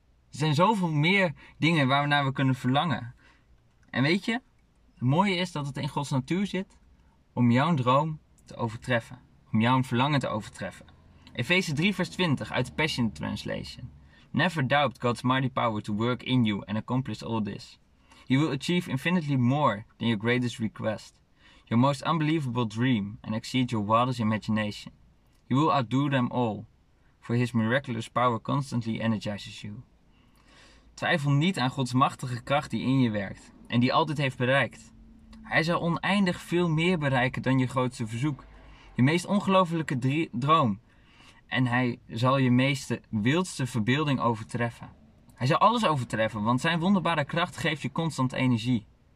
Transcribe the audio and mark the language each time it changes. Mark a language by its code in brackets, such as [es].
[nl] Er zijn zoveel meer dingen waar we naar kunnen verlangen. En weet je, het mooie is dat het in Gods natuur zit om jouw droom te overtreffen. Om jouw verlangen te overtreffen. Efeze 3 vers 20 uit de Passion Translation. [en] Never doubt God's mighty power to work in you and accomplish all this. He will achieve infinitely more than your greatest request, your most unbelievable dream, and exceed your wildest imagination. He will outdo them all, for his miraculous power constantly energizes you. [nl] Twijfel niet aan Gods machtige kracht die in je werkt en die altijd heeft bereikt. Hij zal oneindig veel meer bereiken dan je grootste verzoek, je meest ongelofelijke droom. En hij zal je meeste wildste verbeelding overtreffen. Hij zal alles overtreffen, want zijn wonderbare kracht geeft je constant energie.